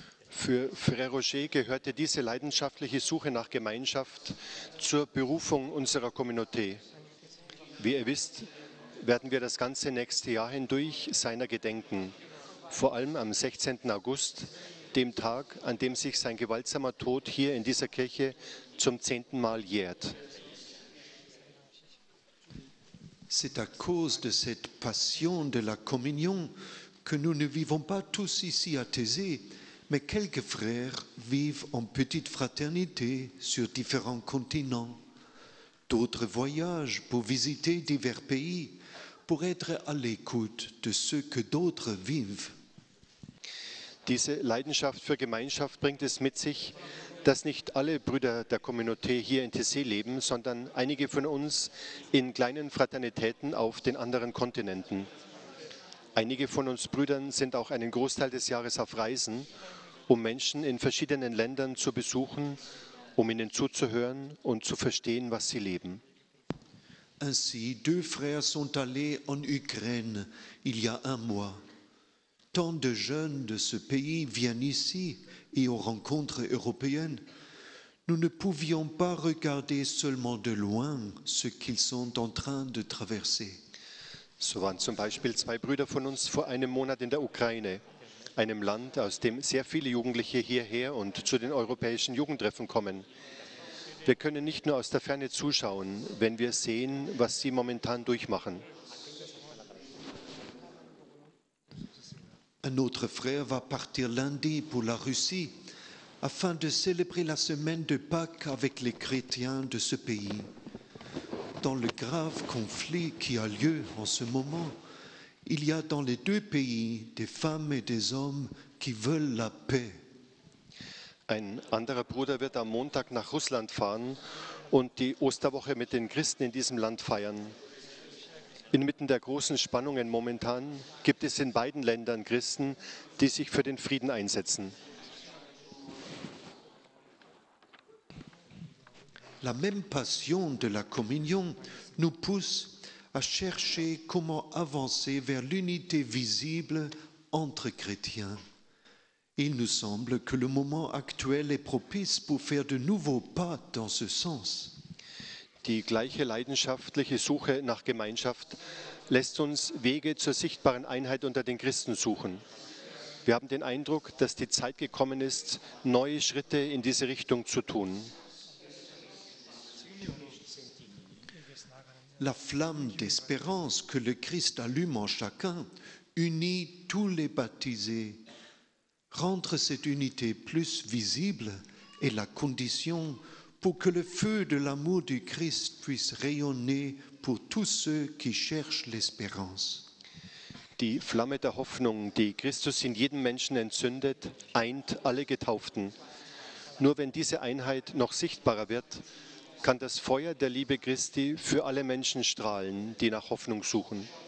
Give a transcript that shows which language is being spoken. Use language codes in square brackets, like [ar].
[de] Für Frère Roger gehörte diese leidenschaftliche Suche nach Gemeinschaft zur Berufung unserer Communauté. Wie ihr wisst, werden wir das ganze nächste Jahr hindurch seiner gedenken, vor allem am 16. August, dem Tag, an dem sich sein gewaltsamer Tod hier in dieser Kirche zum 10. Mal jährt. [fr] C'est à cause de cette passion de la communion que nous ne vivons pas tous ici à Thésée, mais quelques frères vivent en petite fraternité sur différents continents. D'autres voyagent pour visiter divers pays, pour être à l'écoute de ce que d'autres vivent. [de] Diese Leidenschaft für Gemeinschaft bringt es mit sich, dass nicht alle Brüder der Communauté hier in Thésée leben, sondern einige von uns in kleinen Fraternitäten auf den anderen Kontinenten. Einige von uns Brüdern sind auch einen Großteil des Jahres auf Reisen, um Menschen in verschiedenen Ländern zu besuchen, um ihnen zuzuhören und zu verstehen, was sie leben. [fr] Ainsi, deux frères sont allés en Ukraine il y a un mois. Tant de jeunes de ce pays viennent ici et aux rencontres européennes. Nous ne pouvions pas regarder seulement de loin ce qu'ils sont en train de traverser. [de] So waren zum Beispiel zwei Brüder von uns vor einem Monat in der Ukraine, einem Land, aus dem sehr viele Jugendliche hierher und zu den europäischen Jugendtreffen kommen. Wir können nicht nur aus der Ferne zuschauen, wenn wir sehen, was sie momentan durchmachen. [fr] Un autre frère va partir lundi pour la Russie afin de célébrer la semaine de Pâques avec les chrétiens de ce pays. Dans le grave conflit qui a lieu en ce moment, il y a dans les deux pays des femmes et des hommes qui veulent la paix. [de] Ein anderer Bruder wird am Montag nach Russland fahren und die Osterwoche mit den Christen in diesem Land feiern. Inmitten der großen Spannungen momentan gibt es in beiden Ländern Christen, die sich für den Frieden einsetzen. [fr] La même passion de la communion nous pousse à chercher comment avancer vers l'unité visible entre chrétiens. Il nous semble que le moment actuel est propice pour faire de nouveaux pas dans ce sens. [de] Die gleiche leidenschaftliche Suche nach Gemeinschaft lässt uns Wege zur sichtbaren Einheit unter den Christen suchen. Wir haben den Eindruck, dass die Zeit gekommen ist, neue Schritte in diese Richtung zu tun. [fr] La flamme d'espérance que le Christ allume en chacun unit tous les baptisés. Rendre cette unité plus visible est la condition pour que le feu de l'amour du Christ puisse rayonner pour tous ceux qui cherchent l'espérance. [de] Die Flamme der Hoffnung, die Christus in jedem Menschen entzündet, eint alle Getauften. Nur wenn diese Einheit noch sichtbarer wird, kann das Feuer der Liebe Christi für alle Menschen strahlen, die nach Hoffnung suchen.